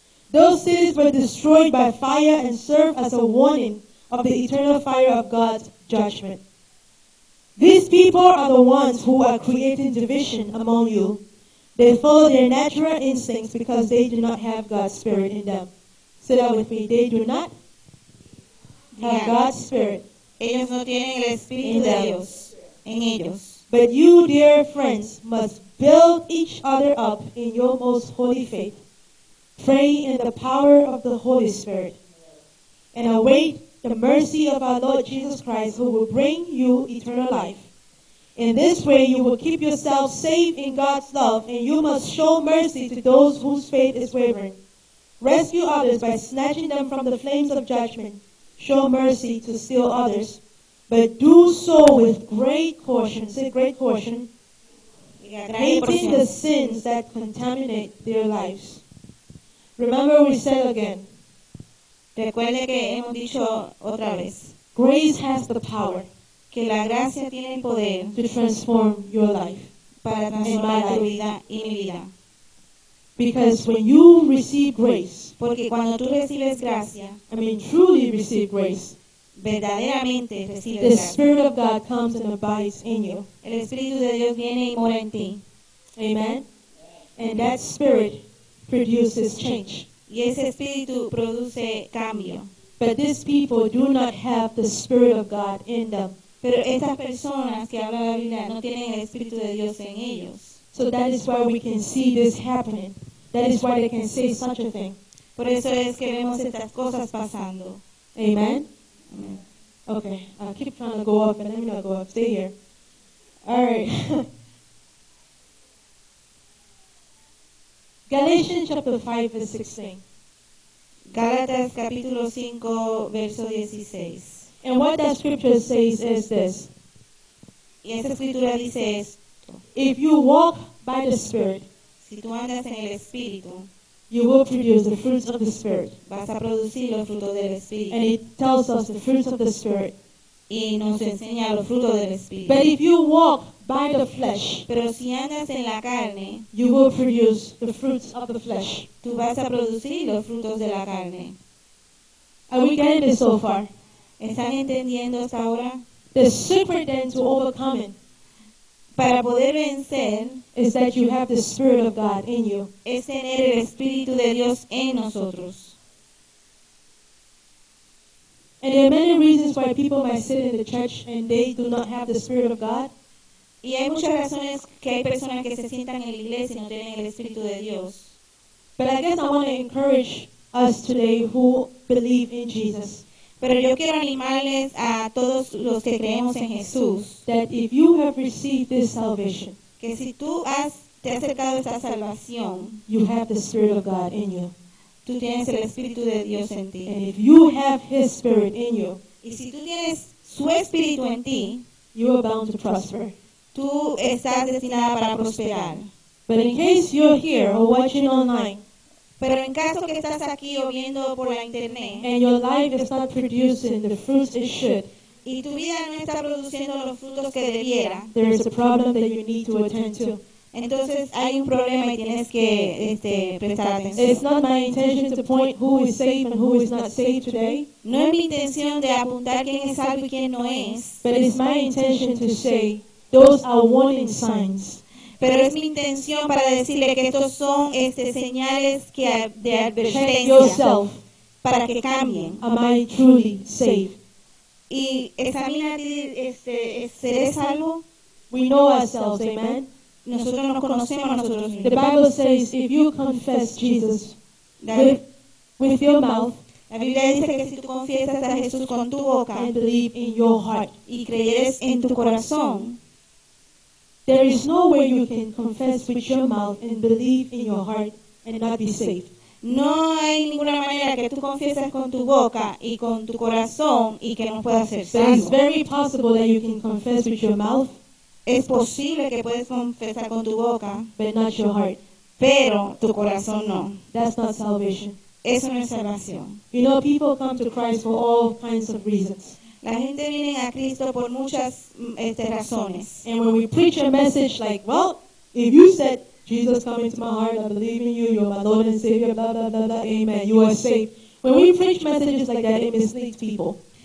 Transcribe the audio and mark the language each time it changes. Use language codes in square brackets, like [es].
[en] Those cities were destroyed by fire and serve as a warning of the eternal fire of God's judgment. These people are the ones who are creating division among you. They follow their natural instincts because they do not have God's Spirit in them. Say that with me. They do not have God's Spirit. [es] Ellos no tienen el Espíritu de Dios en ellos. [en] But you, dear friends, must build each other up in your most holy faith. Pray in the power of the Holy Spirit. And await the mercy of our Lord Jesus Christ, who will bring you eternal life. In this way, you will keep yourself safe in God's love, and you must show mercy to those whose faith is wavering. Rescue others by snatching them from the flames of judgment. Show mercy to still others, but do so with great caution. Say great caution. Hating the sins that contaminate their lives. Remember what we said again. [es] Recuerde que hemos dicho otra vez. [en] Grace has the power. [es] Que la gracia tiene el poder. [en] To transform your life. [es] Para transformar tu vida y mi vida. [en] Because when you receive grace. [es] Porque cuando tú recibes gracia. [en] I mean truly receive grace. [es] Verdaderamente recibes gracia. [en] The Spirit of God comes and abides in you. [es] El Espíritu de Dios viene y mora en ti. [en] Amen. And that Spirit produces change. [es] Y ese espíritu produce cambio. [en] But these people do not have the Spirit of God in them. [es] Pero esas personas que hablan la Biblia no tienen el Espíritu de Dios en ellos. [en] So that is why we can see this happening. That is why they can say such a thing. [es] Por eso es que vemos estas cosas pasando. [en] Amen? Amen. Okay, I'll keep trying to go up, but let me not go up. Stay here. All right. Galatians chapter 5 verse 16. [es] Galatas capítulo 5 verso 16. [en] And what that scripture says is this. [es] Y esa escritura dice esto. [en] If you walk by the Spirit, [es] si tú andas en el Espíritu, [en] you will produce the fruits of the Spirit. [es] Vas a producir los frutos del Espíritu. [en] And it tells us the fruits of the Spirit. [es] Y nos enseña los frutos del Espíritu. [en] But if you walk by the flesh, [es] pero si andas en la carne, [en] you will produce the fruits of the flesh. [es] Tú vas a producir los frutos de la carne. [en] Are we getting it so far? [es] ¿Están entendiendo hasta ahora? [en] The secret then to overcoming, [es] para poder vencer, [en] is that you have the Spirit of God in you. [es] Es tener el Espíritu de Dios en nosotros. [en] And there are many reasons why people might sit in the church and they do not have the Spirit of God. [es] Y hay muchas razones que hay personas que se sientan en la iglesia y no tienen el Espíritu de Dios. [en] But I guess I want to encourage us today who believe in Jesus. [es] Pero yo quiero animarles a todos los que creemos en Jesús. [en] That if you have received this salvation, [es] que si tú has te acercado a esta salvación, [en] you have the Spirit of God in you. [es] Tú tienes el Espíritu de Dios en ti. [en] And if you have His Spirit in you, [es] y si tú tienes su Espíritu en ti, [en] you are bound to prosper. [es] Tú estás destinada para prosperar. [en] But in case you're here or watching online, [es] pero en caso que estás aquí o viendo por la internet, [en] and your life is not producing the fruits it should, [es] y tu vida no está produciendo los frutos que debiera, [en] there is a problem that you need to attend to. [es] Entonces hay un problema y tienes que prestar atención. [en] It's not my intention to point who is safe and who is not safe today. [es] No es mi intención de apuntar quién es salvo y quién no es. [en] But it's my intention to say those are warning signs. [es] Pero es mi intención para decirle que estos son señales que de advertencia. [en] Check yourself. [es] Para que cambien. [en] Am I truly safe? [es] Y examina ¿seré salvo? [en] We know ourselves, amen. [es] Nosotros nos conocemos a nosotros mismos. [en] The Bible says, if you confess Jesus with your mouth, [es] la Biblia dice que si tú confiesas a Jesús con tu boca, [en] and believe in your heart, [es] y creyeres en tu corazón, [en] there is no way you can confess with your mouth and believe in your heart and not be saved. [es] No hay ninguna manera que tú confieses con tu boca y con tu corazón y que no puedas ser salvo. [en] But it's very possible that you can confess with your mouth. [es] Es posible que puedes confesar con tu boca, [en] but not your heart. [es] Pero tu corazón no. [en] That's not salvation. [es] Eso no es salvación. [en] You know, people come to Christ for all kinds of reasons. [es] La gente viene a Cristo por muchas razones. [en] And when we preach a message like, well, if you said, Jesus come into my heart, I believe in you, you're my Lord and Savior, blah, blah, blah, blah, amen, you are safe. When we preach messages like that, it misleads people.